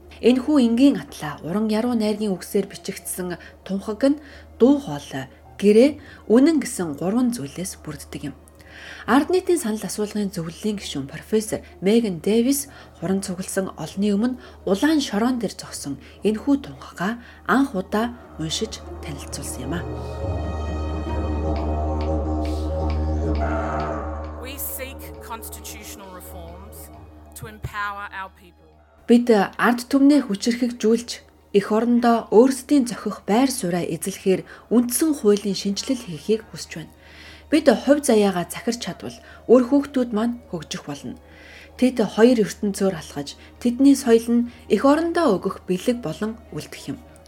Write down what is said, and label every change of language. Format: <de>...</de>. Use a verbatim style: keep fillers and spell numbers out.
<mn>Энэхүү энгийн атла уран яруу найргийн үгсээр бичигдсэн тунхаг нь дуу хоолой гэрээ үнэн гэсэн гурван зүйлээс бүрддэг юм. Ард нийтийн санал асуулгын зөвлөлийн гишүүн профессор Меган Дэвис хуран цугласан олны өмнө улаан шорон дээр зогсон энэхүү тунхагаа анх удаа уншиж танилцуулсан юм а.</mn> <en>We seek constitutional reforms to empower our people.</en> <mn>Бид ард түмнээ хүчрэхийг жүүлж эх орондоо өөрсдийн зохих байр сууриа эзлэхээр үндсэн хуулийн шинжилэл хийхийг хүсэж байна. Бид хувь заяагаа захирч чадвал өр хүүхдүүд маань хөгжих болно. Тэд хоёр ертөнцөөр алхаж, тэдний соёл нь эх орондоо өгөх бэлэг болон үлдэх юм.</mn>